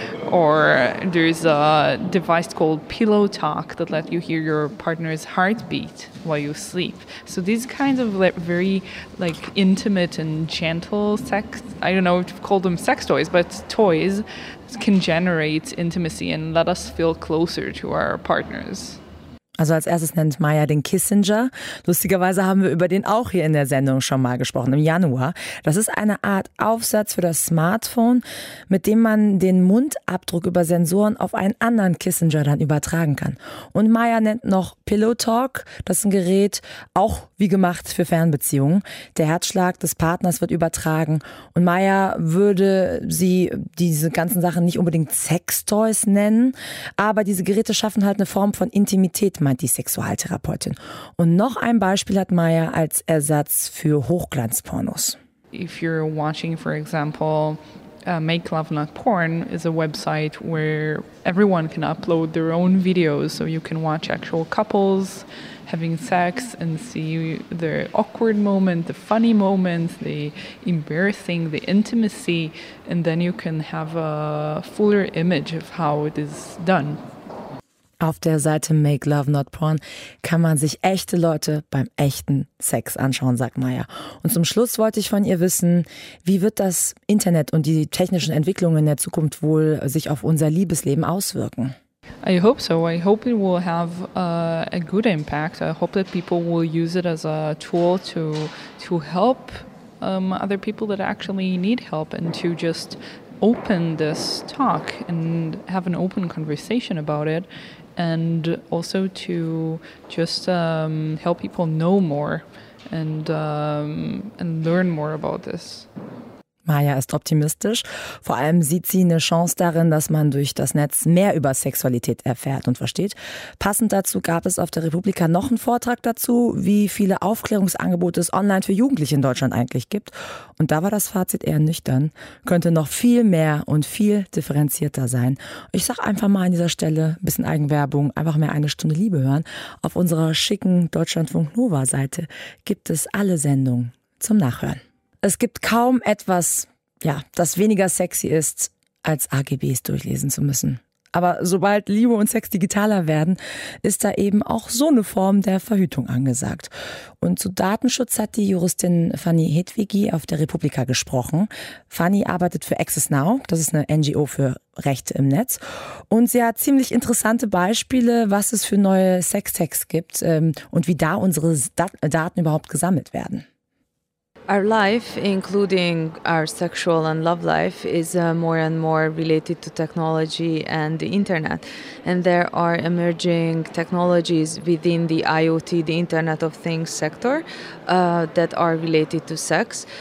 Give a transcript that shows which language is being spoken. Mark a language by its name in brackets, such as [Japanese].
[English] Or there's a device called Pillow Talk that lets you hear your partner's heartbeat while you sleep. So these kinds of very intimate and gentle sex, I don't know if you call them sex toys, but toys can generate intimacy and let us feel closer to our partners. [German] Also als erstes nennt Maya den Kissinger. Lustigerweise haben wir über den auch hier in der Sendung schon mal gesprochen, im Januar. Das ist eine Art Aufsatz für das Smartphone, mit dem man den Mundabdruck über Sensoren auf einen anderen Kissinger dann übertragen kann. Und Maya nennt noch Pillow Talk. Das ist ein Gerät, auch wie gemacht für Fernbeziehungen. Der Herzschlag des Partners wird übertragen. Und Maya würde sie diese ganzen Sachen nicht unbedingt Sextoys nennen, aber diese Geräte schaffen halt eine Form von Intimität, meint die Sexualtherapeutin. Und noch ein Beispiel hat Maya als Ersatz für Hochglanzpornos. [English] If you're watching, for example, Make Love Not Porn is a website where everyone can upload their own videos, so you can watch actual couples having sex and see the awkward moment, the funny moment, the embarrassing, the intimacy, and then you can have a fuller image of how it is done. [German] Auf der Seite Make Love Not Porn kann man sich echte Leute beim echten Sex anschauen, sagt Maya. Und zum Schluss wollte ich von ihr wissen, wie wird das Internet und die technischen Entwicklungen in der Zukunft wohl sich auf unser Liebesleben auswirken? [English] I hope so. I hope it will have a good impact. I hope that people will use it as a tool to help other people that actually need help and to just open this talk and have an open conversation about it, and also to just help people know more and learn more about this. [German] Maya ist optimistisch. Vor allem sieht sie eine Chance darin, dass man durch das Netz mehr über Sexualität erfährt und versteht. Passend dazu gab es auf der Republika noch einen Vortrag dazu, wie viele Aufklärungsangebote es online für Jugendliche in Deutschland eigentlich gibt. Und da war das Fazit eher nüchtern. Könnte noch viel mehr und viel differenzierter sein. Ich sag einfach mal an dieser Stelle, ein bisschen Eigenwerbung, einfach mehr eine Stunde Liebe hören. Auf unserer schicken Deutschlandfunk Nova Seite gibt es alle Sendungen zum Nachhören. Es gibt kaum etwas, ja, das weniger sexy ist, als AGBs durchlesen zu müssen. Aber sobald Liebe und Sex digitaler werden, ist da eben auch so eine Form der Verhütung angesagt. Und zu Datenschutz hat die Juristin Fanny Hedwigi auf der Republika gesprochen. Fanny arbeitet für Access Now, das ist eine NGO für Rechte im Netz. Und sie hat ziemlich interessante Beispiele, was es für neue Sex-Tags gibt und wie da unsere Daten überhaupt gesammelt werden. [English] Our life, including our sexual and love life, is more and more related to technology and the internet. And there are emerging technologies within the IoT, the Internet of Things sector, that are related to sex.